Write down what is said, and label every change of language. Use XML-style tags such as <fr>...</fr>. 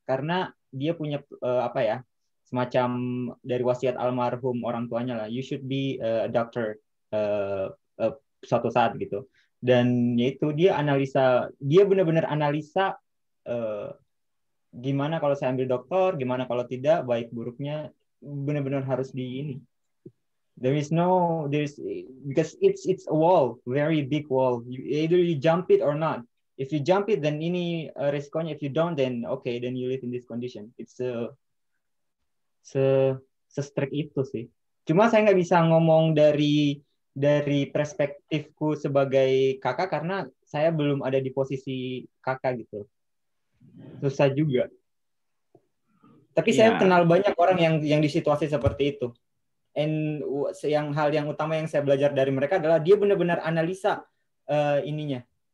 <id>Karena dia punya apa ya, semacam dari wasiat almarhum orang tuanya lah.</id> <en>You should be a doctor</en> <id>suatu saat gitu. Dan yaitu dia analisa, dia benar-benar analisa gimana kalau saya ambil doktor, gimana kalau tidak, baik buruknya benar-benar harus di ini.</id> <en>There is because it's a wall, very big wall. Either you jump it or not. If you jump it, then</en> <id>ini risikonya.</id> <en>If you don't, then okay, then you live in this condition.</en> <id>It's se-strict itu sih. Cuma saya nggak bisa ngomong dari perspektifku sebagai kakak karena saya belum ada di posisi kakak gitu. Susah juga. Tapi saya kenal banyak orang yang di situasi seperti itu. And yang hal yang utama yang saya belajar dari mereka adalah dia benar-benar analisa ininya.</id>